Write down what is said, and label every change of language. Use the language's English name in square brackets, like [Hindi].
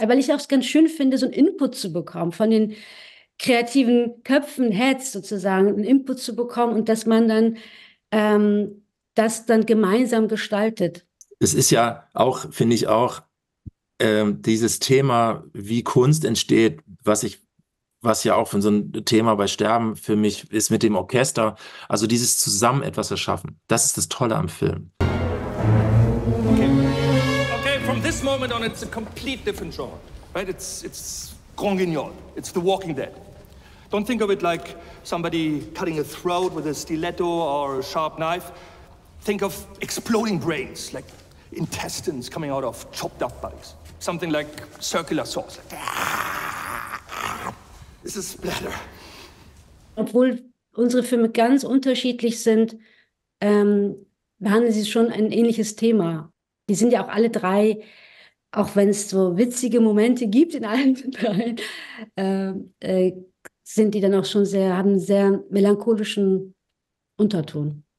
[German] Weil ich auch ganz schön finde, so einen Input zu bekommen, von den kreativen Köpfen, Heads sozusagen, einen Input zu bekommen und dass man dann das dann gemeinsam gestaltet. Es ist ja auch, finde ich auch, dieses Thema, wie Kunst entsteht, was ich was ja auch für so ein Thema bei Sterben für mich ist mit dem Orchester. Also dieses zusammen etwas erschaffen. Das ist das Tolle am Film. [English] Okay, from this moment on, it's a complete different genre. Right? It's Grand Guignol. It's The Walking Dead. Don't think of it like somebody cutting a throat with a stiletto or a sharp knife. Think of exploding brains, like intestines coming out of chopped up bodies. Something like circular saws. This is splatter. [German] Obwohl unsere Filme ganz unterschiedlich sind, behandeln sie schon ein ähnliches Thema. Die sind ja auch alle drei, auch wenn es so witzige Momente gibt in allen drei, sind die dann auch schon sehr, haben einen sehr melancholischen Unterton.